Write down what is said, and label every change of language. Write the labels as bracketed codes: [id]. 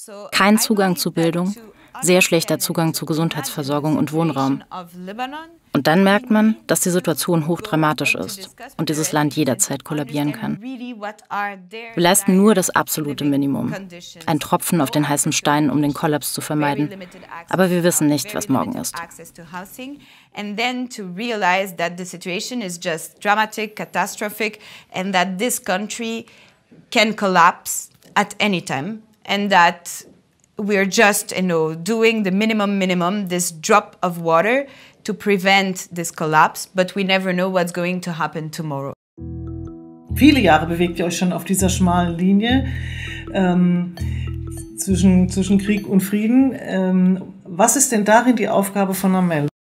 [de] Kein Zugang zu Bildung, sehr schlechter Zugang zu Gesundheitsversorgung und Wohnraum. Und dann merkt man, dass die Situation hochdramatisch ist und dieses Land jederzeit kollabieren kann. Wir leisten nur das absolute Minimum, ein Tropfen auf den heißen Stein, um den Kollaps zu vermeiden. Aber wir wissen nicht, was morgen ist. [en] And then to realize that the situation is just dramatic, catastrophic, and that this country can collapse at any time, and that we are just, you know, doing the minimum, this drop of water to prevent this collapse, but we never know what's going to happen tomorrow. [de] Viele Jahre bewegt ihr euch schon auf dieser schmalen Linie zwischen Krieg und Frieden. Was ist denn darin die Aufgabe von Amel?